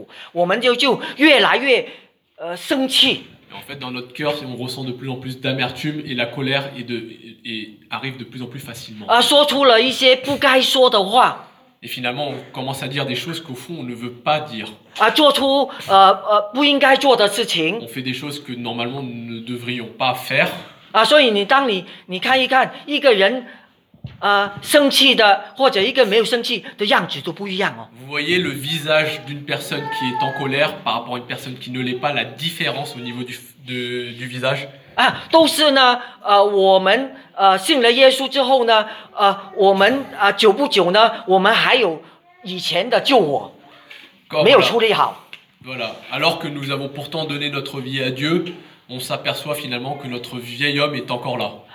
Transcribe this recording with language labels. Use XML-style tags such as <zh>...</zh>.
<zh>我们的心呢，其实呢，埋怨就让我们的心呢越来越苦，我们就越来越生气。</zh> <fr>Et en fait, dans notre cœur, on ressent de plus en plus d'amertume et la colère et arrive de plus en plus facilement.</fr> <zh>说出了一些不该说的话。</zh> <fr>Et finalement, on commence à dire des choses qu'au fond, on ne veut pas dire.</fr> <zh>做出不应该做的事情。</zh> <fr>On fait des choses que normalement, nous ne devrions pas faire.</fr> <zh>所以你当你看一看一个人生气的或者一个没有生气的样子都不一样哦。</zh> <fr>Vous voyez le visage d'une personne qui est en colère par rapport à une personne qui ne l'est pas, la différence au niveau du visage.</fr> <zh>都是呢，我们信了耶稣之后呢，我们久不久呢，我们还有以前的旧我，没有处理好。</zh> <fr>Voilà. Alors que nous avons pourtant donné notre vie à Dieu, on s'aperçoit finalement que notre vieil homme est encore là.</fr>